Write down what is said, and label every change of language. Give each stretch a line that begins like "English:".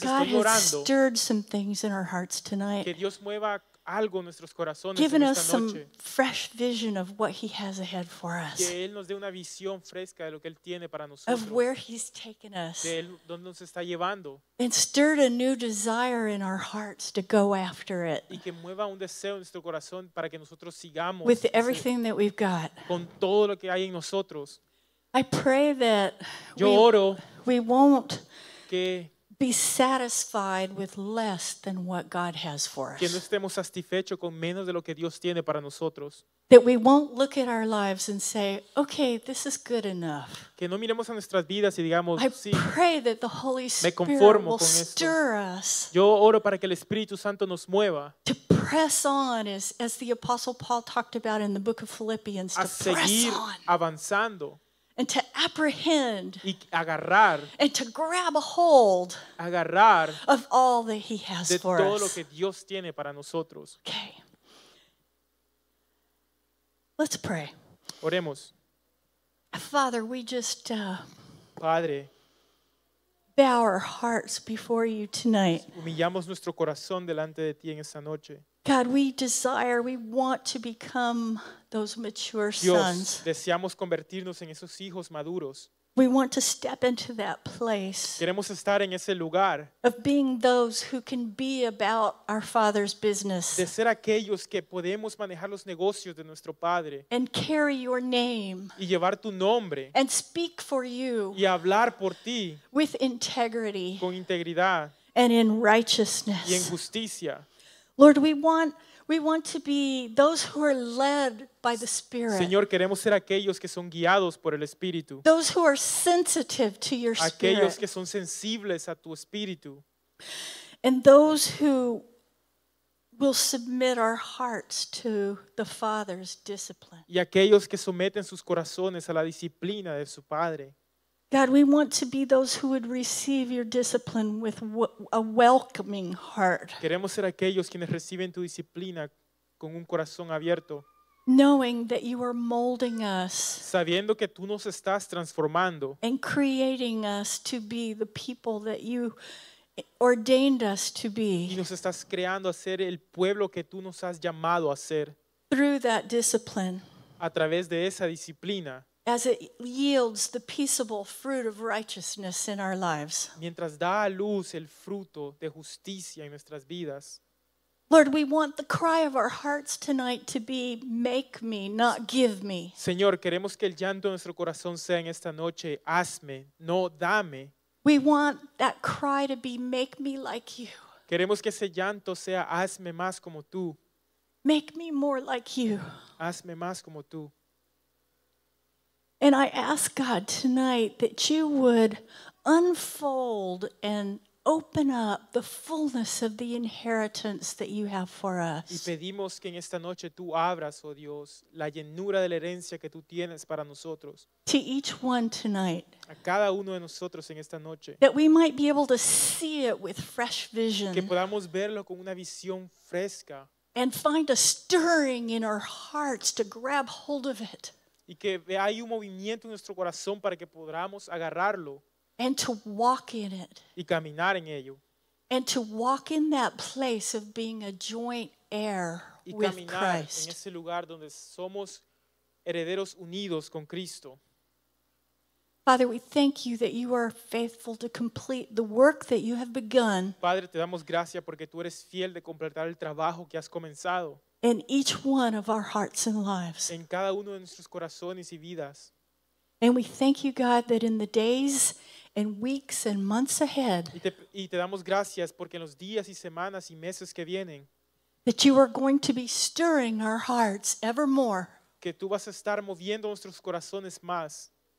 English: God has stirred some things in our hearts tonight.
Spanish: Que Dios mueva algo en nuestros corazones
English: given
Spanish: en
English: us
Spanish: esta
English: some
Spanish: noche.
English: Fresh vision of what he has ahead for us.
Spanish: Que él nos dé una visión fresca de lo que él tiene para nosotros.
English: Of where he's taken us.
Spanish: De él, donde nos está llevando.
English: And stirred a new desire in our hearts to go after it.
Spanish: Y que mueva un deseo en nuestro corazón para que nosotros sigamos.
English: With everything that we've got.
Spanish: Con todo lo que hay en nosotros.
English: I pray that we won't be satisfied with less than what God has for us.
Spanish: Que no estemos satisfechos con menos de lo que Dios tiene para nosotros.
English: That we won't look at our lives and say, okay, this is good enough.
Spanish: Que no miremos a nuestras vidas y digamos, sí,
English: I pray that the Holy Spirit
Spanish: me conformo con esto.
English: Will stir us.
Spanish: Yo oro para que el Espíritu Santo nos mueva.
English: To press on, as the Apostle Paul talked about in the book of Philippians,
Spanish: a
English: to
Spanish: seguir
English: press on.
Spanish: Avanzando.
English: And to apprehend
Spanish: y agarrar,
English: and to grab a hold
Spanish: agarrar,
English: of all that he has
Spanish: de
English: for
Spanish: todo
English: us.
Spanish: Lo que Dios tiene para nosotros.
English: Okay. Let's pray.
Spanish: Oremos.
English: Father, we just
Spanish: Padre,
English: bow our hearts before you tonight.
Spanish: Humillamos nuestro corazón delante de ti en esta noche.
English: God, we desire, we want to become those mature
Spanish: Dios,
English: sons.
Spanish: Deseamos convertirnos en esos hijos maduros.
English: We want to step into that place.
Spanish: Queremos estar en ese lugar.
English: Of being those who can be about our Father's business.
Spanish: De ser aquellos que podemos manejar los negocios de nuestro Padre.
English: And carry your name.
Spanish: Y llevar tu nombre.
English: And speak for you.
Spanish: Y hablar por ti.
English: With integrity.
Spanish: Con integridad.
English: And in righteousness.
Spanish: Y en justicia.
English: Lord, we want to be those who are led by the Spirit.
Spanish: Señor, queremos ser aquellos que son guiados por el Espíritu.
English: Those who are sensitive to your Spirit.
Spanish: Aquellos que son sensibles a tu Espíritu.
English: And those who will submit our hearts to the Father's discipline.
Spanish: Y aquellos que someten sus corazones a la disciplina de su Padre.
English: God, we want to be those who would receive your discipline with a welcoming heart.
Spanish: Queremos ser aquellos quienes reciben tu disciplina con un corazón abierto.
English: Knowing that you are molding us.
Spanish: Sabiendo que tú nos estás transformando.
English: And creating us to be the people that you ordained us to be.
Spanish: Y nos estás creando a ser el pueblo que tú nos has llamado a ser.
English: Through that discipline.
Spanish: A través de esa disciplina.
English: As it yields the peaceable fruit of righteousness in our lives.
Spanish: Mientras da a luz el fruto de justicia en nuestras vidas.
English: Lord, we want the cry of our hearts tonight to be, make me, not give me.
Spanish: Señor, queremos que el llanto de nuestro corazón sea en esta noche, hazme, no dame.
English: We want that cry to be, make me like you.
Spanish: Queremos que ese llanto sea, hazme más como tú.
English: Make me more like you.
Spanish: Hazme más como tú.
English: And I ask God tonight that you would unfold and open up the fullness of the inheritance that you have for us.
Spanish: Y pedimos que en esta noche tú abras, oh Dios, la llenura de la herencia que tú tienes para nosotros.
English: To each one tonight.
Spanish: A cada uno de nosotros en esta noche.
English: That we might be able to see it with fresh vision.
Spanish: Que podamos verlo con una visión fresca.
English: And find a stirring in our hearts to grab hold of it.
Spanish: Y que hay un movimiento en nuestro corazón para que podamos agarrarlo.
English: And to walk in it.
Spanish: Y caminar en ello.
English: And to walk in that place of being a joint heir with Christ.
Spanish: Y caminar en ese lugar donde somos herederos unidos con Cristo.
English: Father, we thank you that you are faithful to complete the work that you have begun.
Spanish: Padre, te damos gracias porque tú eres fiel de completar el trabajo que has comenzado.
English: In each one of our hearts and lives.
Spanish: En cada uno de nuestros corazones y vidas.
English: And we thank you, God, that in the days and weeks and months ahead.
Spanish: Y te damos gracias porque en los días y semanas y meses que vienen.
English: That you are going to be stirring our hearts ever more.
Spanish: Que tú vas a estar moviendo nuestros corazones más.